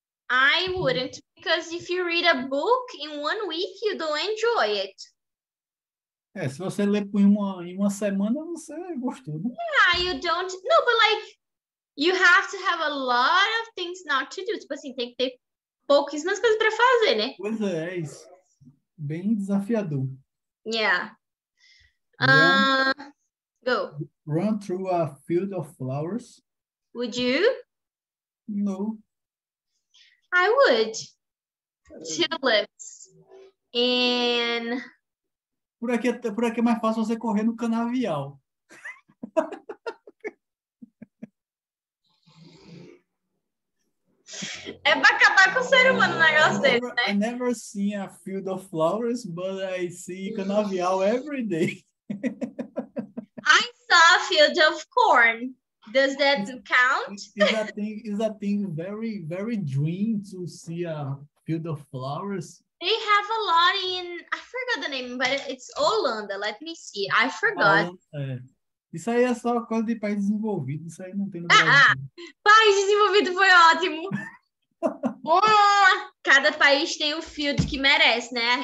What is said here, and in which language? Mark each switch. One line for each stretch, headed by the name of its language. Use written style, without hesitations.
English: I wouldn't, because if you read a book in 1 week, you don't enjoy it.
Portuguese: É, se você ler por uma semana, você gostou, né?
English: Yeah, you don't. No, but like, you have to have a lot of things not to do.
Portuguese: Tipo assim, tem que ter pouquíssimas coisas para fazer, né? Pois é, é isso. Bem desafiador.
English: Yeah. Go. Run through a field of flowers. Would you? No. I would. Tulips. And...
Portuguese: Por aqui é mais fácil você correr no canavial. É pra acabar com o ser humano, no negócio desse, né?
English: I never seen a field of flowers, but I see canavial every day. I saw a field of corn. Does that count? Is that thing very, very dream to see a field of flowers? They have a lot in, I forgot the name, but it's Holanda. Let me see. I forgot.
Portuguese: Isso aí é só coisa de país desenvolvido. Isso aí não tem no Brasil. País desenvolvido foi ótimo. Cada país tem um field que merece, né?